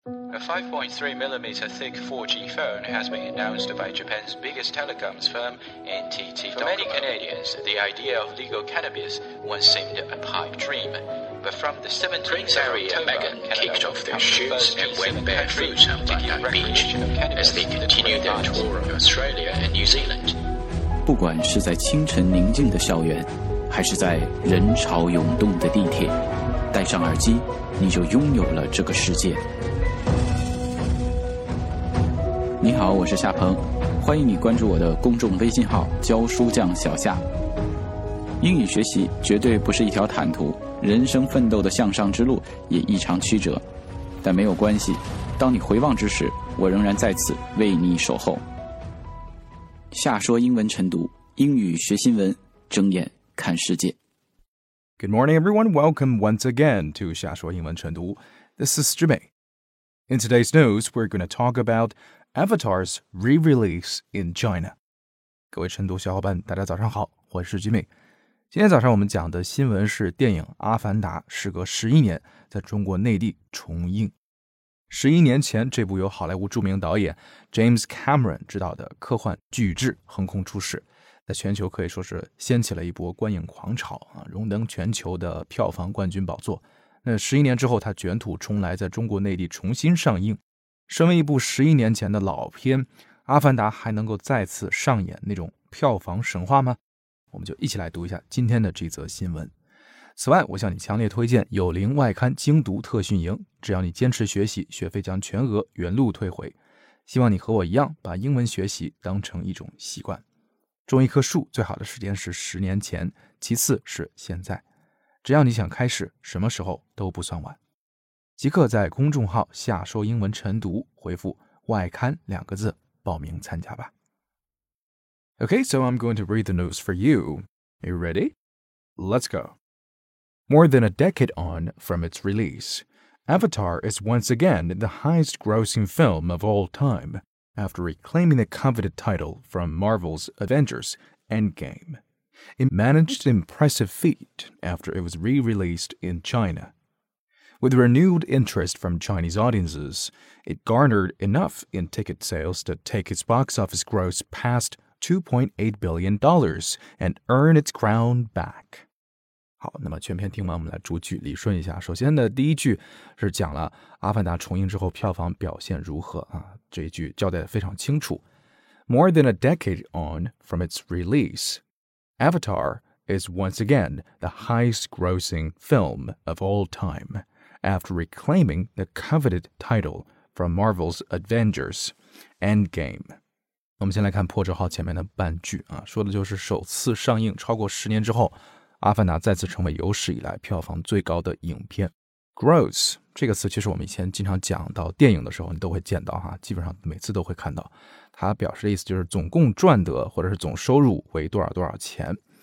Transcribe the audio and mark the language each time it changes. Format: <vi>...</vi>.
<en>A 5.3mm thick 4G phone has been announced by Japan's biggest telecoms firm, NTT Docomo. For many Canadians, the idea of legal cannabis once seemed a pipe dream. But from the 17th of October, Megan kicked off their shoots and went barefoot on Bondi Beach as they continued their tour of Australia and New Zealand.</en> <zh>不管是在清晨宁静的校园，还是在人潮涌动的地铁，戴上耳机，你就拥有了这个世界。你好，我是夏鹏，欢迎你关注我的公众微信号教书匠小夏。英语学习绝对不是一条坦途，人生奋斗的向上之路也异常曲折，但没有关系，当你回望之时，我仍然在此为你守候。夏说英文晨读，英语学新闻，睁眼看世界。</zh> <en>Good morning everyone, welcome once again to</en> <zh>夏说英文晨读。</zh> <en>This is Jimmy. In today's news, we're going to talk aboutAvatar's re-release in China.</en> <zh>各位晨读小伙伴，大家早上好，我是吉米。今天早上我们讲的新闻是电影《阿凡达》时隔11年在中国内地重映。 11年前，这部由好莱坞著名导演 James Cameron 执导的科幻巨制横空出世，在全球可以说是掀起了一波观影狂潮，荣登全球的票房冠军宝座。那11年之后，他卷土重来，在中国内地重新上映。身为一部11年前的老片，阿凡达还能够再次上演那种票房神话吗？我们就一起来读一下今天的这则新闻。此外，我向你强烈推荐有灵外刊精读特训营，只要你坚持学习，学费将全额原路退回。希望你和我一样，把英文学习当成一种习惯。种一棵树最好的时间是10年前，其次是现在。只要你想开始，什么时候都不算晚。即刻在公众号下说英文晨读回复外刊两个字报名参加吧。</zh> <en>Okay, so I'm going to read the news for you. Are you ready? Let's go. More than a decade on from its release, Avatar is once again the highest grossing film of all time after reclaiming the coveted title from Marvel's Avengers Endgame. It managed an impressive feat after it was re-released in China. With renewed interest from Chinese audiences, it garnered enough in ticket sales to take its box office gross past $2.8 billion and earn its crown back.</en> <zh>好，那么全篇听完，我们来逐句理顺一下。首先呢，第一句是讲了《阿凡达》重映之后票房表现如何啊，这一句交代的非常清楚。</zh> <en>More than a decade on from its release, Avatar is once again the highest grossing film of all time. After reclaiming the coveted title from Marvel's Avengers Endgame.</en> <zh>我们先来看破折号前面的半句啊，说的就是首次上映超过十年之后，阿凡达再次成为有史以来票房最高的影片。</zh> <en>Gross</en> <zh>这个词其实我们以前经常讲到电影的时候你都会见到哈，基本上每次都会看到。它表示的意思就是总共赚得或者是总收入为多少多少钱。</zh>